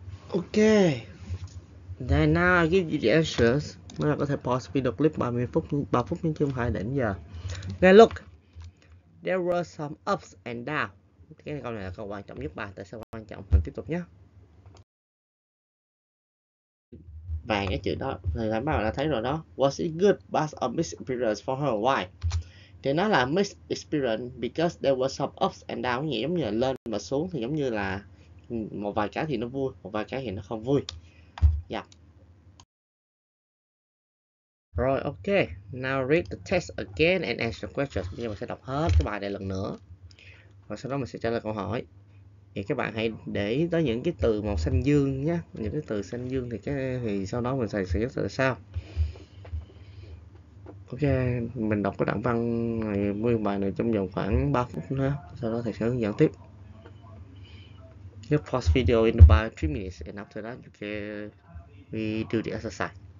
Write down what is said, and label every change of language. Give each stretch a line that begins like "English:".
English: Okay, then now I give you the answers.
Vietnamese: Mới là có thể pause video clip 30 phút nhưng chưa phải đến giờ.
English: Now look, there were some ups and downs.
Vietnamese: Cái câu này là câu quan trọng nhất bài. Tại sao quan trọng? Mình tiếp tục nhé. Và cái chữ đó thì thầy bảo là thấy rồi đó.
English: Was it good but a mixed experience for her? Why?
Vietnamese: Thì nó là
English: mixed experience because there were some ups and downs,
Vietnamese: nghĩa giống như là lên mà xuống, thì giống như là một vài cái thì nó vui, một vài cái thì nó không vui. Rồi, ok.
English: Now read the text again and answer the questions.
Vietnamese: Bây giờ mình sẽ đọc hết cái bài này lần nữa. Và sau đó mình sẽ trả lời câu hỏi. Thì các bạn hãy để ý tới những cái từ màu xanh dương nhé. Những cái từ xanh dương thì thì sau đó mình sẽ giải thích tại sao. Ok, mình đọc cái đoạn văn này, nguyên bài này trong vòng khoảng 3 phút nữa. Sau đó thầy sẽ hướng dẫn tiếp.
English: Just pause video in about 3 minutes and after that, okay, we do the exercise.